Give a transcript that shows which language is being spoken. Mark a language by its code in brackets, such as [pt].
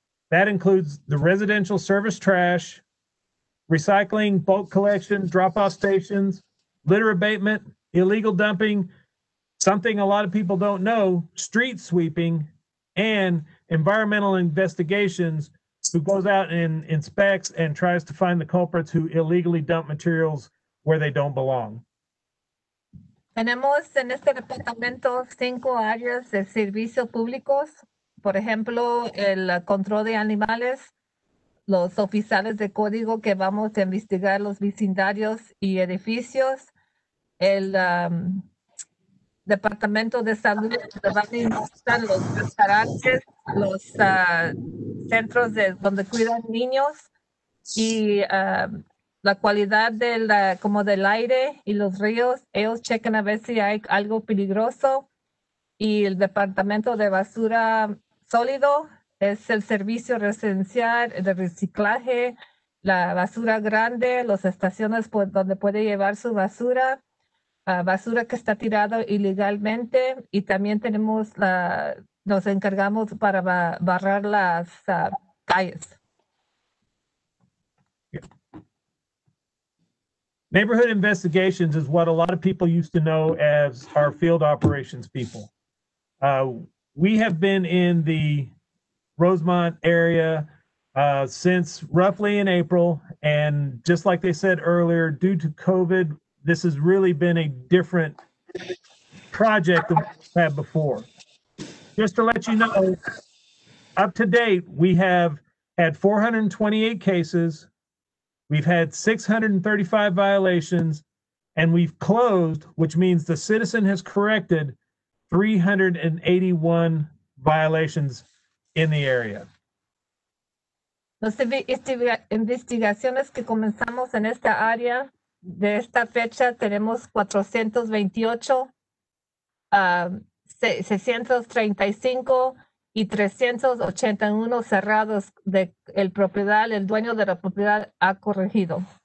[en] That includes the residential service trash, recycling, bulk collection, drop-off stations, litter abatement, illegal dumping, something a lot of people don't know, street sweeping, and environmental investigations, who goes out and inspects and tries to find the culprits who illegally dump materials where they don't belong. [es] Tenemos en este departamento cinco áreas de servicios públicos, por ejemplo, el control de animales, los oficiales de código que vamos a investigar los vecindarios y edificios, el Departamento de Salud, donde van a investigar los restaurantes, los centros de donde cuidan niños, y la calidad del, como del aire y los ríos, ellos checan a ver si hay algo peligroso, y el Departamento de Basura Sólido es el servicio residencial de reciclaje, la basura grande, las estaciones por donde puede llevar su basura, basura que está tirado ilegalmente, y también tenemos la, nos encargamos para barrar las calles. [en] Yeah. Neighborhood investigations is what a lot of people used to know as our field operations people. We have been in the Rosemont area since roughly in April, and just like they said earlier, due to COVID, this has really been a different project than we've had before. Just to let you know, up to date, we have had 428 cases, we've had 635 violations, and we've closed, which means the citizen has corrected 381 violations in the area. [es] Las investigaciones que comenzamos en esta área, de esta fecha tenemos 428, 635 y 381 cerrados de el propiedad, el dueño de la propiedad ha corregido.